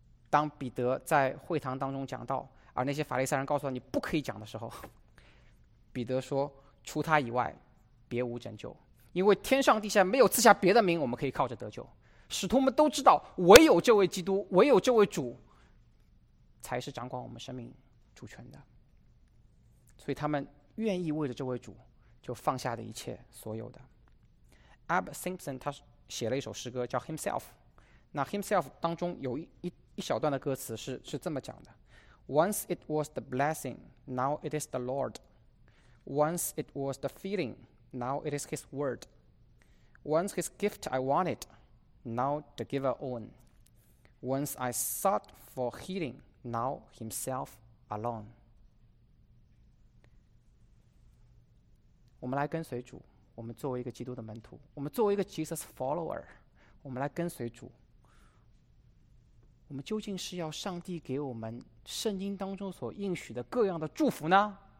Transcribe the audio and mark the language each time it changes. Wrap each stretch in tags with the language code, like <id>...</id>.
<zh>当彼得在会堂当中讲道，而那些法利赛人告诉他你不可以讲的时候，彼得说除他以外别无拯救，因为天上地下没有赐下别的名我们可以靠着得救。使徒们都知道唯有这位基督，唯有这位主才是掌管我们生命主权的，所以他们愿意为了这位主就放下的一切所有的。 Ab Simpson 他写了一首诗歌叫 Himself， 那 Himself 当中有一小段的歌词是这么讲的：</zh> <en>Once it was the blessing, now it is the Lord. Once it was the feeling, now it is his word. Once his gift I wanted, now the giver own. Once I sought for healing, now himself alone.</en> <zh>我们来跟随主，我们作为一个基督的门徒，我们作为一个 Jesus follower， 我们来跟随主，我们究竟是要上帝给我们圣经当中所应许的各样的祝福呢？</zh>